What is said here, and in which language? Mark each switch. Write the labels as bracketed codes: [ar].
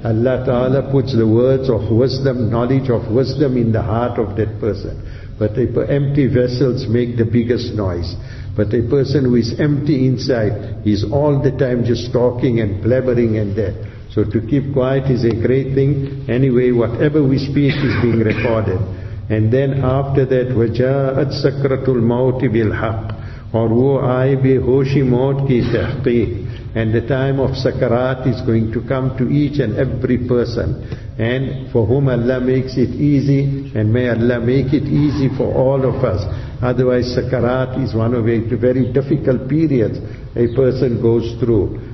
[en] Allah Ta'ala puts the words of wisdom, knowledge of wisdom in the heart of that person. But empty vessels make the biggest noise. But a person who is empty inside is all the time just talking and blabbering and that. So to keep quiet is a great thing. Anyway, whatever we speak is being recorded. And then after that, [ar] وَجَاءَتْ سَكْرَةُ الْمَوْتِ بِالْحَقِّ [ur] اور وہ آئے بے ہوشی موت کی تحقیق. [en] And the time of Sakarat is going to come to each and every person. And for whom Allah makes it easy, and may Allah make it easy for all of us. Otherwise, Sakarat is one of the very difficult periods a person goes through.